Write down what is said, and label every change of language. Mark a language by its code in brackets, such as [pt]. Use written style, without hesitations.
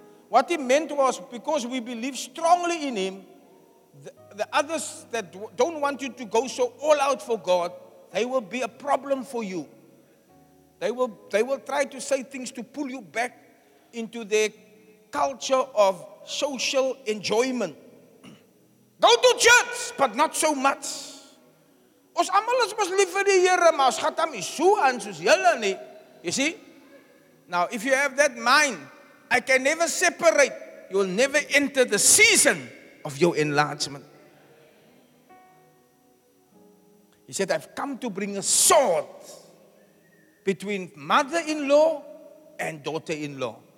[en] What he meant was because we believe strongly in him, the others that don't want you to go so all out for God, they will be a problem for you. They will try to say things to pull you back into their culture of social enjoyment. Go to church, but not so much. [af] Ons almal ons mos lief vir die Here, maar ons gaan hom so aan soos julle nie. [en] You see? Now, if you have that mind, I can never separate. You will never enter the season of your enlargement. He said, I've come to bring a sword between mother-in-law and daughter-in-law.